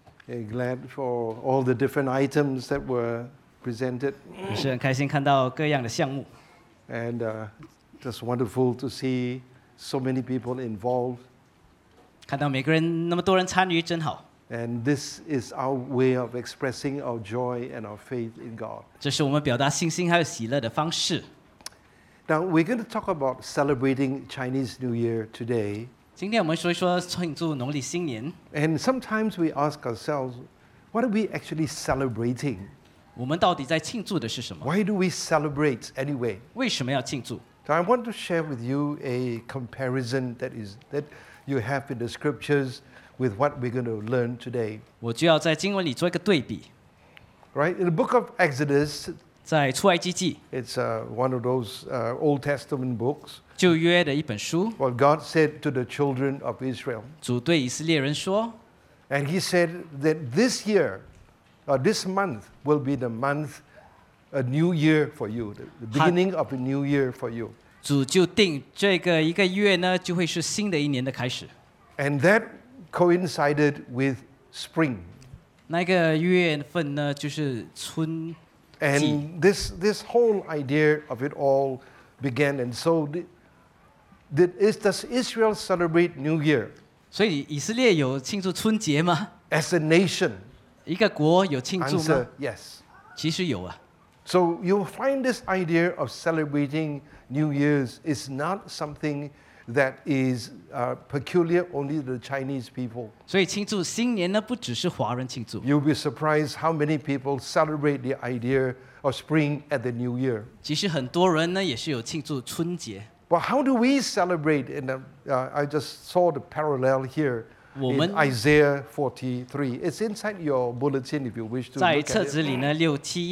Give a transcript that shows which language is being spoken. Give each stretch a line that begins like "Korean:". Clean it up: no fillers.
English: Hey, glad for all the different items that were presented.
Chinese: 是很开心看到各样的项目。
English: And just wonderful to see so many people involved.
Chinese: 看到每个人那么多人参与真好。
English: And this is our way of expressing our joy and our faith in God.
Chinese: 这是我们表达信心还有喜乐的方式。
English: Now we're going to talk about celebrating Chinese New Year today.
Chinese: 今天我们说一说庆祝农历新年。
English: And sometimes we ask ourselves, what are we actually celebrating?
Chinese: 我们到底在庆祝的是什么？
English: Why do we celebrate anyway?
Chinese: 为什么要庆祝？
English: So I want to share with you a comparison that you have in the scriptures with what we're going to learn today.
Chinese: 我就要在经文里做一个对比。
English: Right, in the book of Exodus,
Chinese: 在出埃及记,
English: it's one of those Old Testament books.
Chinese: 旧约的一本书,
English: what God said to the children of Israel.
Chinese: 主对以色列人说,
English: and he said that this year, or this month, will be the month, a new year for you, the beginning of a new year for you.
Chinese: 主就定这个一个月呢，就会是新的一年的开始。
English: And that coincided with spring.
Chinese: 那个月份呢，就是春季。
English: And this whole idea of it all began. And so, does Israel celebrate New Year?
Chinese: 所以以色列有庆祝春节吗？
English: As a nation.
Chinese: 一个国有庆祝吗？
English: Answer, yes.
Chinese: 其实有啊。
English: So you'll find this idea of celebrating New Year's is not something that is peculiar only to the Chinese people.
Chinese: 所以庆祝新年呢，不只是华人庆祝。
English: You'll be surprised how many people celebrate the idea of spring at the New Year.
Chinese: 其实很多人呢，也是有庆祝春节。
English: But how do we celebrate? And I just saw the parallel here. In Isaiah 43, it's inside your bulletin if you wish to look at it.